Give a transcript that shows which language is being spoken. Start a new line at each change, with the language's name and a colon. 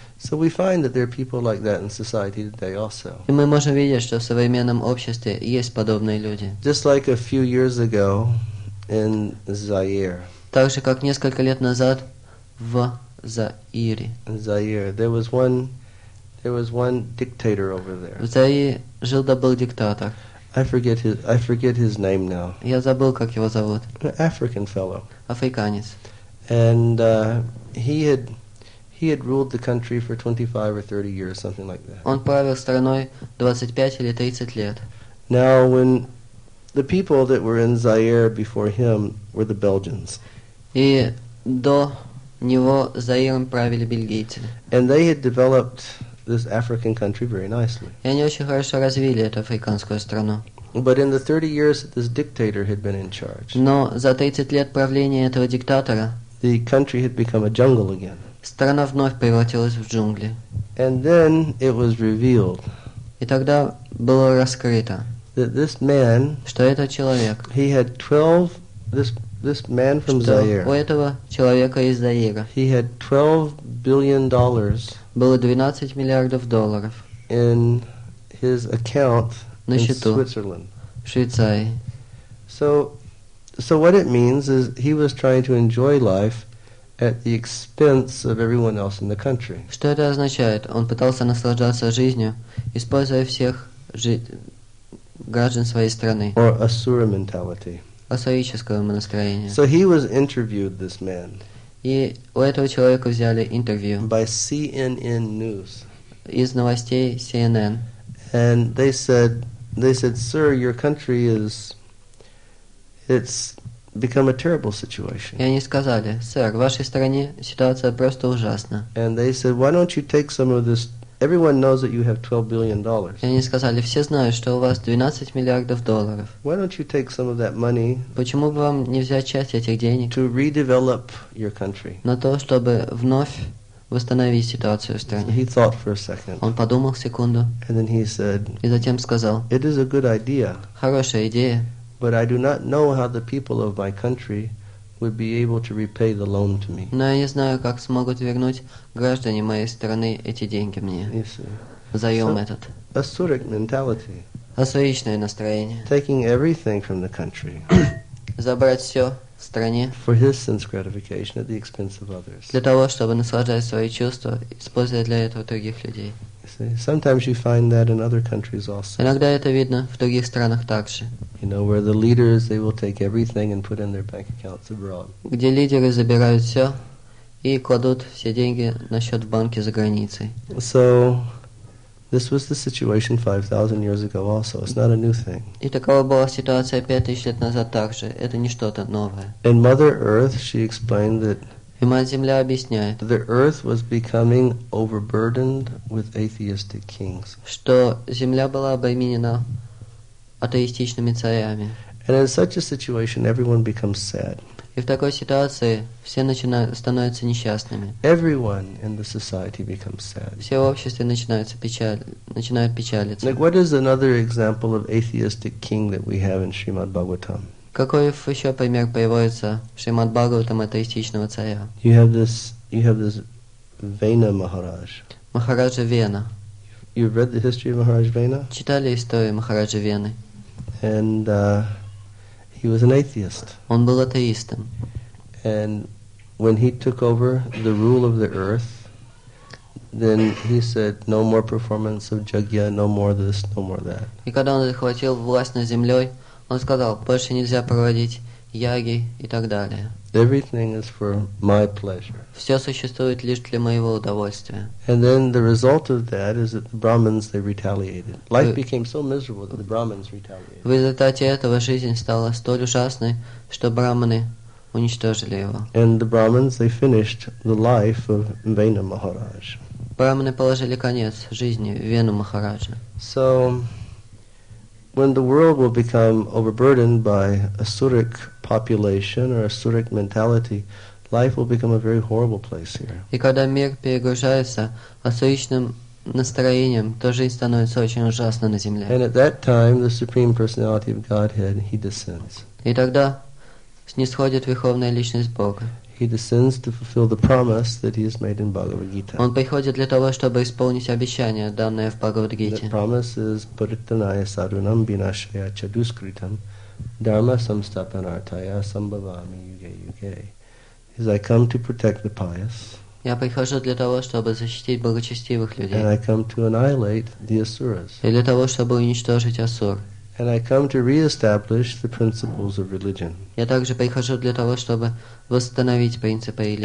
English: So we find that there are people like that in society today also.
Russian: И мы можем видеть, что в современном обществе есть подобные люди.
English: Just like a few years ago in Zaire.
Russian: Так же, как несколько лет назад в Заире.
English: Zaire. There was one dictator over there.
Russian: В Заире жил да был диктатор.
English: I forget his name now.
Russian: Я забыл, как его зовут.
English: An African fellow.
Russian: Африканец.
English: And he had ruled the country for 25 or 30 years, something like that.
Russian: Он правил страной 25 или 30 лет.
English: Now, when the people that were in Zaire before him were the Belgians.
Russian: И до него Заиром правили бельгийцы.
English: And they had developed this African country very nicely.
Russian: И они очень хорошо развили эту африканскую страну.
English: But in the 30 years that this dictator had been in charge.
Russian: Но за 30 лет правления этого диктатора.
English: The country had become a jungle again.
Russian: Страна вновь превратилась в джунгли.
English: And then it was revealed.
Russian: И тогда было раскрыто.
English: That this man.
Russian: Что этот человек.
English: He had 12. This man from Zaire.
Russian: У этого человека из Заира.
English: He had $12 billion.
Russian: Было 12 миллиардов долларов.
English: In his account.
Russian: На счету.
English: In Switzerland.
Russian: В Швейцарии.
English: So what it means is he was trying to enjoy life at the expense of everyone else in the country.
Russian: Что это означает? Он пытался наслаждаться жизнью, используя всех граждан своей страны.
English: Or asura mentality.
Russian: Асурического настроения.
English: So he was interviewed, this man.
Russian: И у этого человека взяли интервью.
English: By CNN News.
Russian: Из новостей CNN.
English: And they said, sir, your country is... It's become a terrible situation.
Russian: И они сказали, сэр, в вашей стране ситуация просто ужасна.
English: And they said, why don't you take some of this? Everyone knows that you have $12 billion.
Russian: И они сказали, все знают, что у вас 12 миллиардов долларов.
English: Why don't you take some of that money?
Russian: Почему бы вам не взять часть этих денег?
English: To redevelop your country.
Russian: На то, чтобы вновь восстановить ситуацию в стране.
English: He thought for a second.
Russian: Он подумал секунду.
English: And then he said.
Russian: И затем сказал.
English: It is a good idea.
Russian: Хорошая идея.
English: But I do not know how the people of my country would be able to repay the loan to me.
Russian: Но я не знаю, как смогут вернуть граждане моей страны эти деньги мне.
English: Yes,
Russian: заем so, этот.
English: Asuric mentality.
Russian: Асуричное настроение.
English: Taking everything from the country.
Russian: Забрать все в стране.
English: For his sense gratification at the expense of others.
Russian: Для того, чтобы наслаждать свои чувства, используя для этого других людей.
English: Sometimes you find that in other countries also.
Russian: Иногда это видно в других странах также.
English: You know, where the leaders, they will take everything and put in their bank accounts abroad.
Russian: Где лидеры забирают все и кладут все деньги на счет в банке за границей.
English: So, this was the situation 5,000 years ago also. It's not a new thing.
Russian: И такова была ситуация 5,000 лет назад также. Это не что-то новое.
English: And Mother Earth, she explained that.
Russian: И Мать Земля объясняет.
English: The earth was becoming overburdened with atheistic kings.
Russian: Что Земля была обременена атеистичными царями.
English: And in such a situation, everyone becomes sad.
Russian: И в такой ситуации все становятся несчастными.
English: Everyone in the society becomes sad.
Russian: Все в обществе начинают печалиться.
English: Like what is another example of atheistic king that we have in Srimad Bhagavatam?
Russian: Какой еще пример приводится Шримад Бхагаватам атеистичного царя?
English: You have this Vena Maharaj.
Russian: Махараджа Вена.
English: You've read the history of Maharaj Vena?
Russian: Читали историю Махараджа Вены.
English: And he was an atheist.
Russian: Он был атеистом.
English: And when he took over the rule of the earth, Then he said, no more performance of Jagya, no more this, no more that.
Russian: И когда он захватил власть над землей, он сказал, больше нельзя проводить яги и так далее.
English: Everything is for my pleasure.
Russian: Все существует лишь для моего удовольствия.
English: And then the result of that is that the Brahmins, they retaliated. Life became so miserable that the Brahmins retaliated.
Russian: В результате этого жизнь стала столь ужасной, что Брахманы уничтожили его.
English: And the Brahmins, they finished the life of Vena Maharaj.
Russian: Брахманы положили конец жизни Вену Махараджа.
English: So, when the world will become overburdened by asuric population or asuric mentality, life will become a very horrible place here.
Russian: И когда мир перегружается асуричным настроением, то жизнь становится очень ужасной на земле.
English: And at that time, the Supreme Personality of Godhead, He descends.
Russian: И тогда снисходит Верховная Личность Бога.
English: He descends to fulfill the promise that he has made in Bhagavad Gita.
Russian: Он приходит для того, чтобы исполнить обещание, данное в Бхагавад Гите.
Sanskrit: The promise is Puritanaya Sarunam Binashaya Chaduskritam Dharma Samstapanartaya Sambhavami Yuge Yuge.
English: As I come to protect the pious.
Russian: Я прихожу для того, чтобы защитить благочестивых людей.
English: And I come to annihilate the asuras.
Russian: И для того, чтобы уничтожить асур.
English: And I come to re-establish the principles of religion.
Russian: Я также прихожу для того, чтобы восстановить принципы религии.